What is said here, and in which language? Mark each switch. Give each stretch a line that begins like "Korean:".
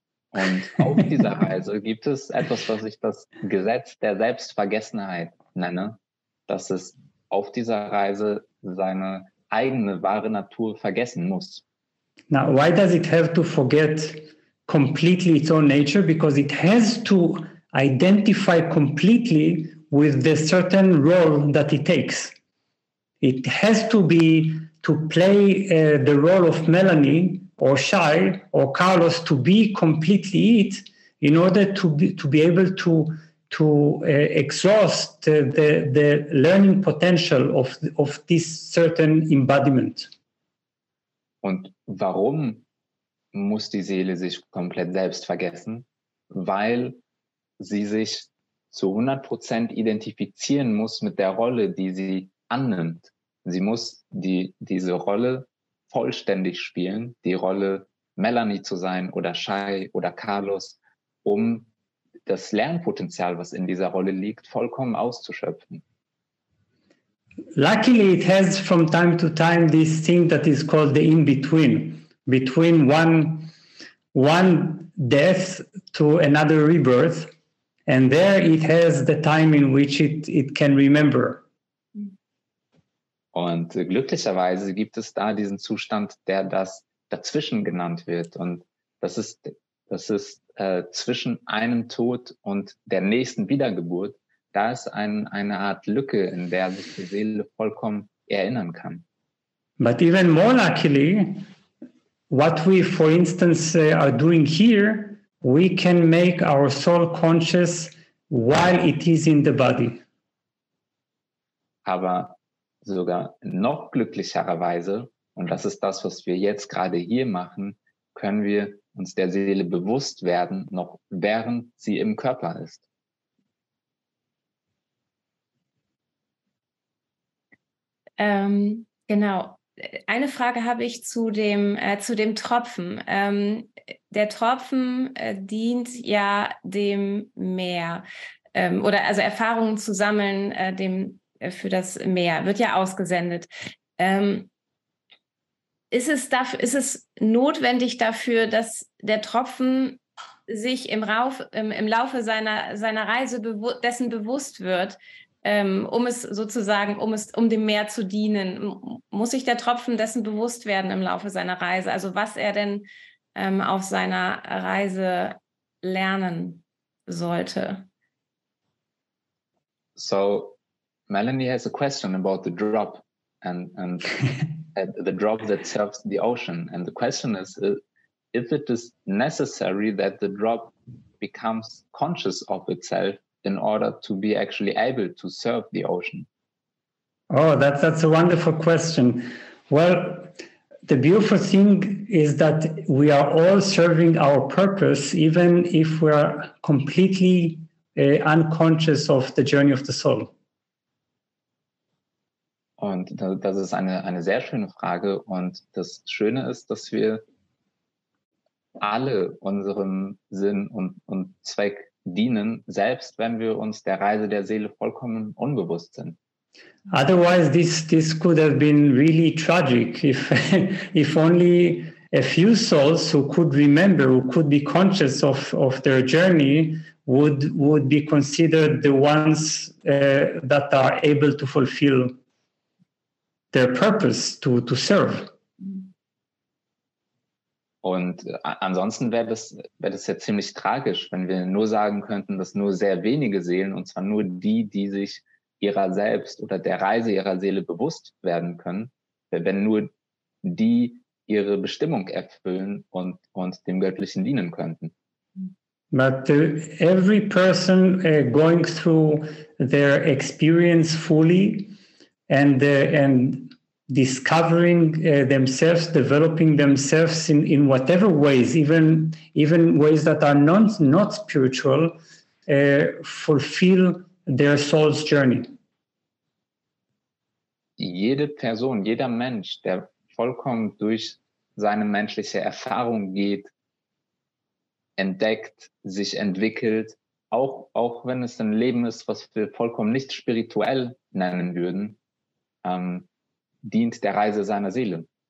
German: Und auf dieser Reise gibt es etwas, was ich das Gesetz der Selbstvergessenheit nenne, dass es auf dieser Reise seine eigene wahre Natur vergessen muss.
English: Now, why does it have to forget completely its own nature? Because it has to identify completely with the certain role that it takes. It has to be to play the role of Melanie or Shai or Carlos to be completely it in order to be able to exhaust the learning potential of this certain embodiment.
German: Und warum muss die Seele sich komplett selbst vergessen? Weil sie sich zu 100% identifizieren muss mit der Rolle, die sie annimmt. Sie muss diese Rolle vollständig spielen, die Rolle Melanie zu sein oder Shai oder Carlos, um das Lernpotenzial, was in dieser Rolle liegt, vollkommen auszuschöpfen.
English: Luckily, it has from time to time this thing that is called the in-between, between one death to another rebirth, and there it has the time in which it can remember.
German: Und glücklicherweise gibt es da diesen Zustand, der das dazwischen genannt wird. Und das ist zwischen einem Tod und der nächsten Wiedergeburt. Da ist eine Art Lücke, in der sich die Seele vollkommen erinnern kann.
English: But even more luckily, what we for instance are doing here, we can make our soul conscious while it is in the body.
German: Aber sogar noch glücklichererweise, und das ist das, was wir jetzt gerade hier machen, können wir uns der Seele bewusst werden, noch während sie im Körper ist. Genau. Eine Frage habe ich zu dem Tropfen. Der Tropfen dient ja dem Meer. Oder also Erfahrungen zu sammeln, dem für das Meer, wird ja ausgesendet. Ist es notwendig dafür, dass der Tropfen sich im Laufe seiner Reise dessen bewusst wird, um dem Meer zu dienen? Muss sich der Tropfen dessen bewusst werden im Laufe seiner Reise? Also was er denn auf seiner Reise lernen sollte?
English: So, Melanie has a question about the drop and the drop that serves the ocean. And the question is, if it is necessary that the drop becomes conscious of itself in order to be actually able to serve the ocean. Oh, that's a wonderful question. Well, the beautiful thing is that we are all serving our purpose, even if we are completely unconscious of the journey of the soul.
German: Und das ist eine sehr schöne Frage. Und das Schöne ist, dass wir alle unserem Sinn und Zweck dienen, selbst wenn wir uns der Reise der Seele vollkommen unbewusst sind.
English: Otherwise, this could have been really tragic if only a few souls who could remember, who could be conscious of their journey, would be considered the ones that are able to fulfill their purpose to serve.
German: Und ansonsten wäre das ja ziemlich tragisch, wenn wir nur sagen könnten, dass nur sehr wenige Seelen, und zwar nur die, die sich ihrer selbst oder der Reise ihrer Seele bewusst werden können, wenn nur die ihre Bestimmung erfüllen und dem Göttlichen dienen könnten.
English: But every person going through their experience fully and discovering themselves, developing themselves in whatever ways, even ways that are not spiritual, fulfill their soul's journey.
German: Jede Person, jeder Mensch, der vollkommen durch seine menschliche Erfahrung geht, entdeckt, sich entwickelt, auch wenn es ein Leben ist, was wir vollkommen nicht spirituell nennen würden, dient der Reise seiner Seele.